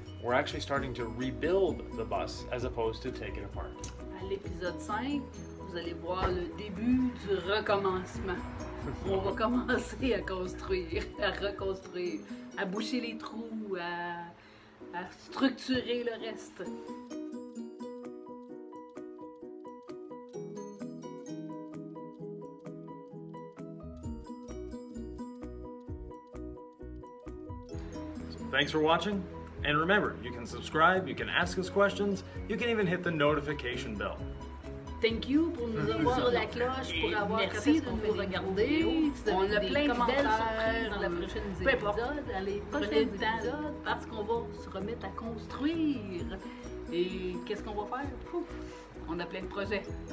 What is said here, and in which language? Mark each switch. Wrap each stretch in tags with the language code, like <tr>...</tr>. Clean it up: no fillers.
<en>We're actually starting to rebuild the bus as opposed to take it apart.</en> <fr>À l'épisode 5, vous allez voir le début du recommencement. On va commencer à construire, à reconstruire, à boucher les trous, à structurer le reste.</fr> <en>Thanks for watching, and remember, you can subscribe, you can ask us questions, you can even hit the notification bell. Thank you</en> <fr>pour nous avoir la cloche, pour avoir merci de nous regarder. On a plein de belles surprises dans la prochaine épisode. Peu importe, dans les prochains épisodes, parce qu'on va se remettre à construire. Et qu'est-ce qu'on va faire? On a plein de projets.</fr>